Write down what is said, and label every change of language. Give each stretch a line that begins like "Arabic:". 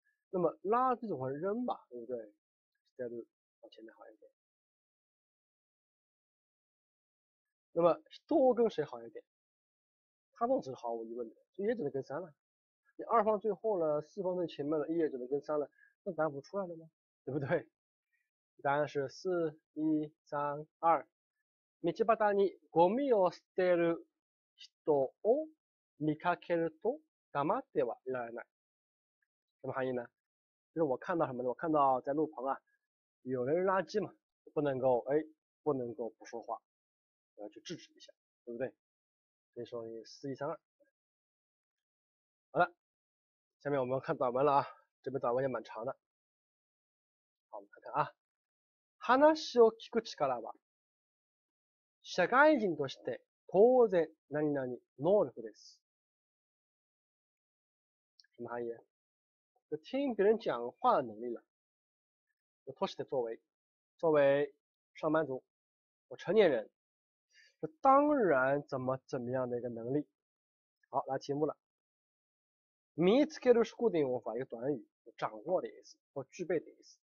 Chinese: 那么垃圾总还是扔吧，对不对？再度往前面好一点。那么多跟谁好一点？它动词是毫无疑问的，所以也只能跟三了。你二放最后了，四放最前面了，也只能跟三了，那答案不出来了吗？对不对？答案是四一三二。
Japanese: 道端にゴミを捨てる人を見かけると黙ってはいられない。
Chinese: 什么含义呢？就是我看到什么呢？我看到在路旁啊，有人扔垃圾嘛，不能够哎，不能够不说话，要去制止一下，对不对？所以说你四一三二。好了，下面我们看短文了啊，这边短文也蛮长的。好，我们看看啊。
Japanese: 話を聞く力は社会人として当然何々能力です。
Chinese: 什么含义？就听别人讲话的能力了。就都市的作为上班族，我成年人，就当然怎么怎么样的一个能力。好，来题目了。見つける是固定用法，一个短语，掌握的意思或具备的意思。